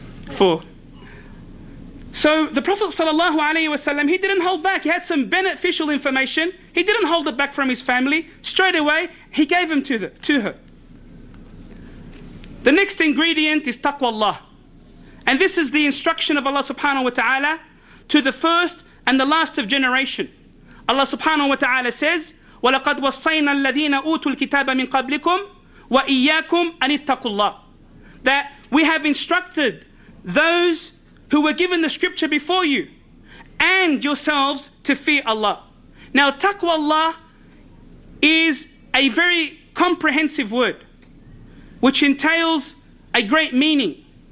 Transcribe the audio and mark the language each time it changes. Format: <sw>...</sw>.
<en>Four. So the Prophet sallallahu alayhi wa sallam, he didn't hold back. He had some beneficial information. He didn't hold it back from his family. Straight away, he gave them to her. The next ingredient is taqwallah. And this is the instruction of Allah subhanahu wa ta'ala to the first and the last of generation.</en> <ar>Allah subhanahu wa ta'ala says, وَلَقَدْ وَصَّيْنَا الَّذِينَ أُوتُوا الْكِتَابَ مِنْ قَبْلِكُمْ وَإِيَّاكُمْ أَنِ اتَّقُوا اللَّهِ.</ar> <en>That we have instructed those who were given the scripture before you and yourselves to fear Allah. Now taqwa Allah is a very comprehensive word which entails a great meaning.</en>